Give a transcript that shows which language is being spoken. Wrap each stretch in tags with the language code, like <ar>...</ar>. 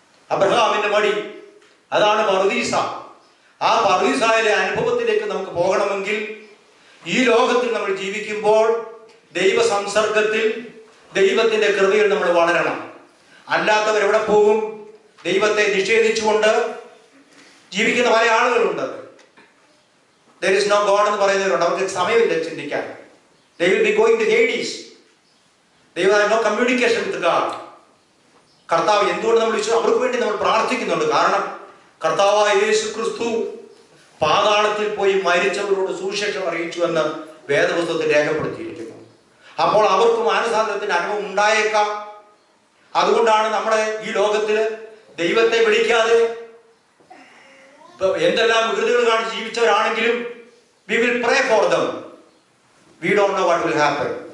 <ml>അബ്രഹാമിന്റെ മടി അതാണ് പറുദീസ. ആ പറുദീസയിലെ അനുഭവത്തിലേക്ക് നമുക്ക് പോകണമെങ്കിൽ ഈ ലോകത്തിൽ നമ്മൾ ജീവിക്കുമ്പോൾ ദൈവസംസർഗത്തിൽ ദൈവത്തിന്റെ കൃപയിൽ നമ്മൾ വളരണം. അല്ലാത്തവർ എവിടെ പോകും? ദൈവത്തെ നിഷേധിച്ചുകൊണ്ട് ജീവിക്കുന്ന പല ആളുകളുണ്ട്.</ml> <en>There is no God</en> <ml>എന്ന് പറയുന്നവരുണ്ട്. അവർക്ക് സമയമില്ല ചിന്തിക്കാൻ.</ml> <en>They will be going to Hades. They will have no communication with God.</en> <ml>കർത്താവ് എന്തുകൊണ്ട് നമ്മൾ വിളിച്ചു? അവർക്ക് വേണ്ടി നമ്മൾ പ്രാർത്ഥിക്കുന്നുണ്ട്. കാരണം കർത്താവായ യേശു ക്രിസ്തു പാതാളത്തിൽ പോയി മരിച്ചവരോട് സുവിശേഷം അറിയിച്ചു എന്ന് വേദപുസ്തകത്തിൽ രേഖപ്പെടുത്തിയിരിക്കുന്നു. അപ്പോൾ അവർക്ക് മാനസാന്തരത്തിന്റെ അനുഭവം ഉണ്ടായേക്കാം. അതുകൊണ്ടാണ് നമ്മുടെ ഈ ലോകത്തില് ദൈവത്തെ വിളിക്കാതെ എന്തെല്ലാം വികൃതികൾ കാണിച്ച് ജീവിച്ചവരാണെങ്കിലും</ml> <en>We will pray for them, we don't know what will happen.</en>